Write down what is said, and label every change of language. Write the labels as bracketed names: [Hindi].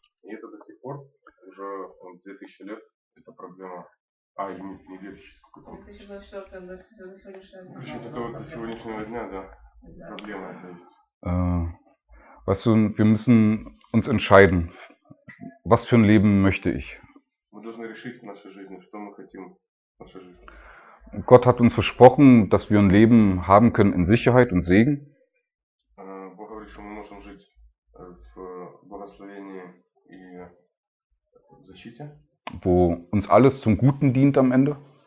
[Russian] И это до сих пор, уже 2000 лет. Это проблема. А, и не 2024, до сегодняшнего дня, да. Проблема это есть. [German] Weißt du, wir müssen uns entscheiden, was für ein Leben möchte ich. [Russian] Мы должны решить в нашей жизни, что мы хотим в нашей жизни. [German] Gott hat uns versprochen, dass wir ein Leben haben können in Sicherheit und Segen. [Russian] Бог говорит, что мы можем жить в благословении и защите. [German] Wo uns alles zum Guten dient am Ende.